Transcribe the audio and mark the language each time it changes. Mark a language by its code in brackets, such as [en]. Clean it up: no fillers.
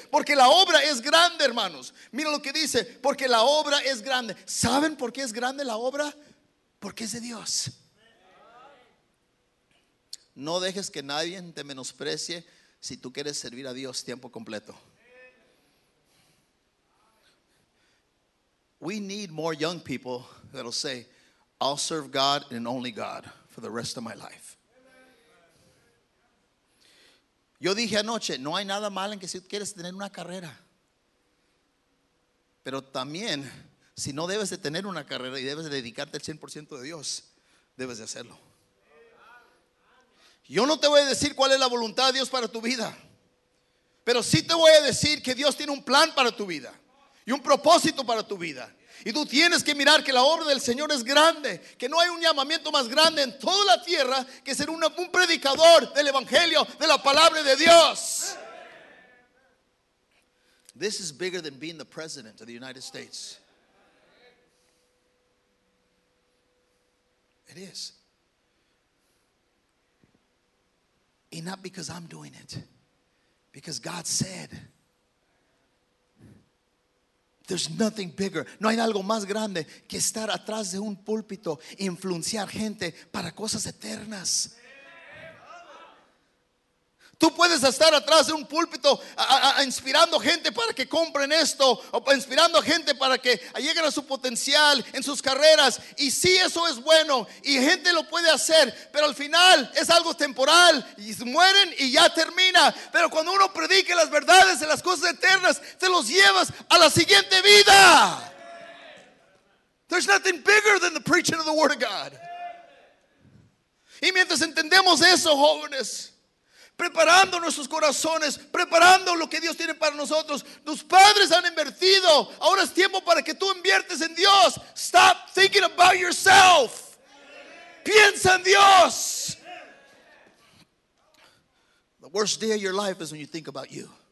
[es] Porque la obra es grande, hermanos. Mira lo que dice, porque la obra es grande. ¿Saben por qué es grande la obra? Porque es de Dios. No dejes que nadie te menosprecie si tú quieres servir a Dios tiempo completo. [en] We need more young people that will say, I'll serve God and only God for the rest of my life. [es] Yo dije anoche, no hay nada mal en que si quieres tener una carrera. Pero también, si no debes de tener una carrera y debes de dedicarte al 100% de Dios, debes de hacerlo. Yo no te voy a decir cuál es la voluntad de Dios para tu vida. Pero sí te voy a decir que Dios tiene un plan para tu vida y un propósito para tu vida. Y tú tienes que mirar que la obra del Señor es grande, que no hay un llamamiento más grande en toda la tierra que ser un predicador del evangelio, de la palabra de Dios. [en] This is bigger than being the president of the United States. It is. And not because I'm doing it, because God said, there's nothing bigger. [es] No hay algo más grande que estar atrás de un púlpito e influenciar gente para cosas eternas. Tú puedes estar atrás de un púlpito inspirando gente para que compren esto, o inspirando a gente para que lleguen a su potencial en sus carreras. Y sí, eso es bueno y gente lo puede hacer, pero al final es algo temporal y mueren y ya termina. Pero cuando uno predique las verdades de las cosas eternas, te los llevas a la siguiente vida. [en] There's nothing bigger than the preaching of the word of God. [es] Y mientras entendemos eso, jóvenes, preparando nuestros corazones, preparando lo que Dios tiene para nosotros. Tus padres han invertido. Ahora es tiempo para que tú inviertes en Dios. [en] Stop thinking about yourself. [es] Piensa en Dios. [en] The worst day of your life is when you think about you.